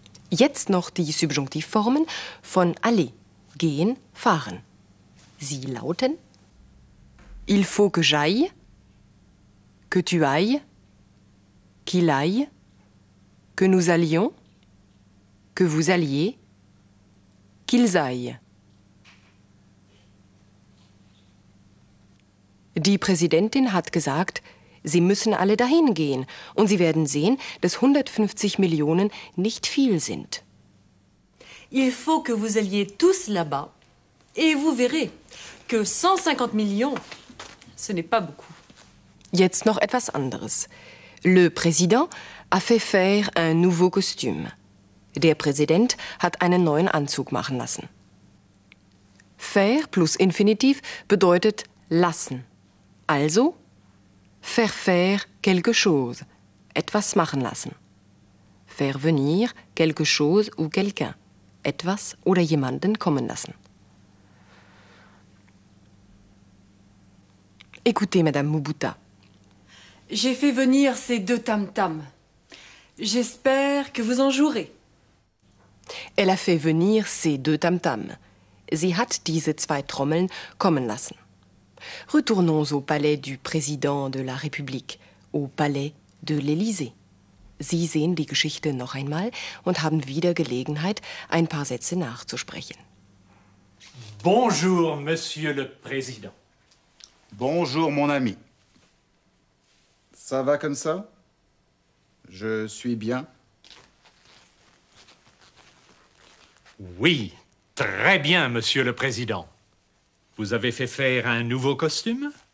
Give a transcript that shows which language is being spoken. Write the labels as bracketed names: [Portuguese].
[German] Jetzt noch die Subjunktivformen von aller, gehen, fahren. Sie lauten: [French] Il faut que j'aille, que tu ailles, qu'il aille, que nous allions, que vous alliez, qu'ils aillent. [German] Die Präsidentin hat gesagt, sie müssen alle dahin gehen und sie werden sehen, dass 150 Millionen nicht viel sind. [French] Il faut que vous alliez tous là-bas et vous verrez que 150 Millionen, ce n'est pas beaucoup. [German] Jetzt noch etwas anderes. [French] Le président a fait faire un nouveau costume. [German] Der Präsident hat einen neuen Anzug machen lassen. Faire plus Infinitiv bedeutet lassen. Also, [French] faire faire quelque chose, [German] etwas machen lassen. [French] Faire venir quelque chose ou quelqu'un, [German] etwas oder jemanden kommen lassen. [French] Écoutez, Madame Mubuta. J'ai fait venir ces deux tam-tams. J'espère que vous en jouerez. Elle a fait venir ces deux tam-tams. [German] Sie hat diese zwei Trommeln kommen lassen. [French] Retournons au palais du président de la République, au palais de l'Élysée. [German] Sie sehen die Geschichte noch einmal und haben wieder Gelegenheit, ein paar Sätze nachzusprechen. [French] Bonjour, Monsieur le Président. Bonjour, mon ami. Ça va comme ça? Je suis bien? Oui, très bien, Monsieur le Président. Vous avez fait faire un nouveau costume?